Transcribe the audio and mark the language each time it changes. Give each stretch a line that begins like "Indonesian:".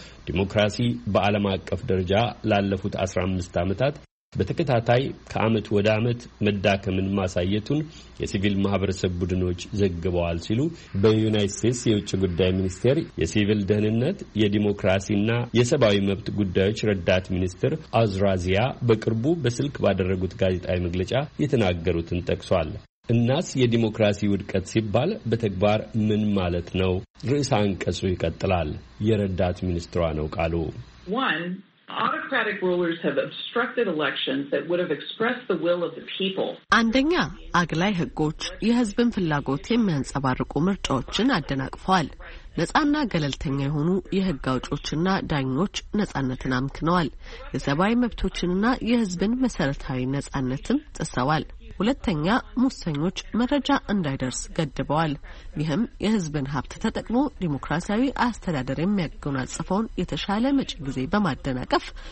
Amharic: ዲሞክራሲ በዓለም አቀፍ ደረጃ ላለፉት 15 ዓመታት በተከታታይ ከዓመት ወደ ዓመት መዳከምን ማሳየቱን የሲቪል ማህበረሰብ ቡድኖች ዘግበዋል ሲሉ በዩናይትድ ስቴትስ የውጭ ጉዳይ ሚኒስቴር የሲቪል ደህንነት የዲሞክራሲና የሰብአዊ መብት ጉዳዮች ረዳት ሚኒስትር አዝራዚያ በቅርቡ በስልክ ባደረጉት ጋዜጣዊ መግለጫ የተናገሩትን ጠቅሷል። እናስ የዲሞክራሲ ውድቀት ሲባል በተግባር ምን ማለት ነው? ርዕሰ አንቀጹ ይቀጥላል። የረዳት ሚኒስትሯ ነው ቃሉ።
English: One, autocratic rulers have obstructed elections that would have expressed the will of the people.
Amharic: አንደኛ፣ አግላይ ህጎች የህዝብን ፍላጎት የሚያንጸባርቁ ምርጫዎችን አደናቅፈዋል። ነጻና ገለልተኛ የሆኑ የህግ አውጪዎችና ዳኞች ነጻነትን አምክነዋል። የሰብአዊ መብቶችንና የህዝብን መሰረታዊ ነጻነትም ጥሰዋል። ሁለተኛ፣ ሙሰኞች መረጃ እንዳይደርስ ገድበዋል። ይህም የህዝብን ሀብት ተጠቅሞ ዲሞክራሲያዊ አስተዳደር የሚያጎናጽፈውን የተሻለ መጪ ጊዜ በማደናቀፍ